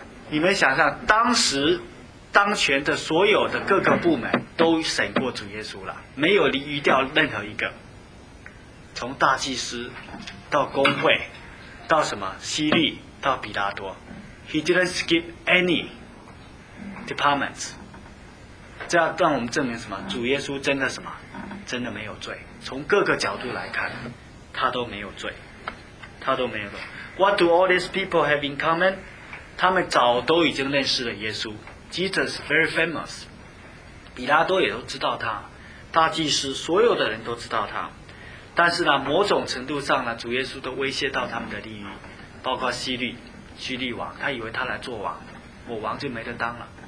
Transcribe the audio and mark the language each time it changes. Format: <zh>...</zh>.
<zh>你们想想，当时当权的所有的各个部门都审过主耶稣了，没有离余掉任何一个，从大祭司到公会到什么西律到比拉多，</zh> <en>He didn't skip any departments。</en> <zh>这要让我们证明什么？主耶稣真的什么真的没有罪，从各个角度来看他都没有罪，他都没有罪。</zh> <en>What do all these people have in common?</en> <zh>他们早都已经认识了耶稣。</zh> <en>Jesus is very famous.</en> <zh>比拉多也都知道他，大祭司所有的人都知道他。但是呢，某种程度上呢，主耶稣都威胁到他们的利益，包括西律，西律王，他以为他来做王，我王就没得当了。</zh>